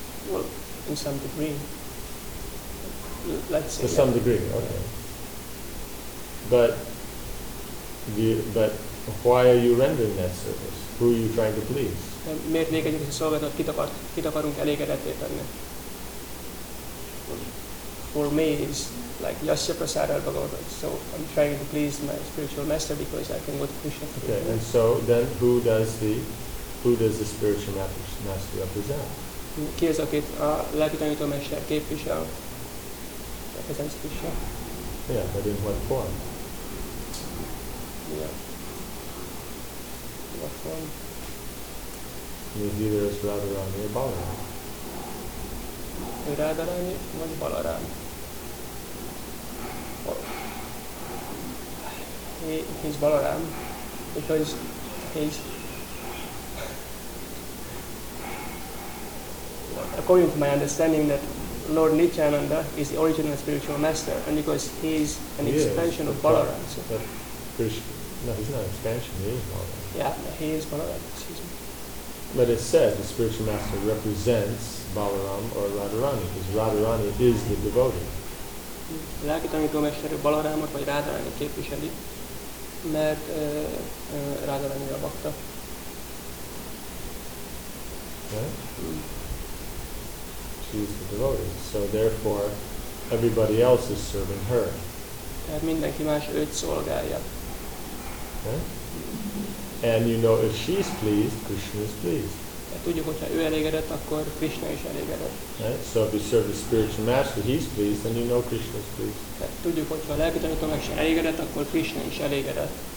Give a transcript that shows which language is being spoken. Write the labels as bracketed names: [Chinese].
[English] Well, in some degree. Let's say, to some degree, okay. But why are you rendering that service? Who are you trying to please? [Hungarian] Miért végezzük a szolgálatot? Kit akarunk elégedetté tenni? [English] For me, it's like Yasya Prasada Bhagavata. So I'm trying to please my spiritual master because I can go to Krishna. Okay, and so then who does the spiritual master represent? [Hungarian] Ki az, akit a lelki tanító mester képvisel? [English] Represents Krishna. Yeah, but in what form? Yeah. What form? Maybe there's Radharani or Balaram. [Hungarian] Radharani vagy Balaram. [English] He's Balaram, because he's... According to my understanding, that Lord Nityananda is the original spiritual master, and because he's an expansion of Balaram. So. But Krishna, no, he's not an expansion, he is Balaram. Yeah, he is Balaram, excuse me. But it said the spiritual master represents Balaram or Radharani, because Radharani is the devotee. [Hungarian] Lelki tanító mester Balarámot vagy Radharani képviseli, mert Radharani a bhakta. [English] right? She's the devotee, so therefore everybody else is serving her. [Hungarian] Tehát mindenki más őt szolgálja. [English] And you know if she's pleased, Krishna is pleased. [Hungarian] Tudjuk, hogyha ő elégedett, akkor Krishna is elégedett. [English] Right? So if you serve the spiritual master, he's pleased, then you know Krishna is pleased. [Hungarian] Tehát tudjuk, hogyha a lelki tanítónak sem elégedett, akkor Krishna is elégedett.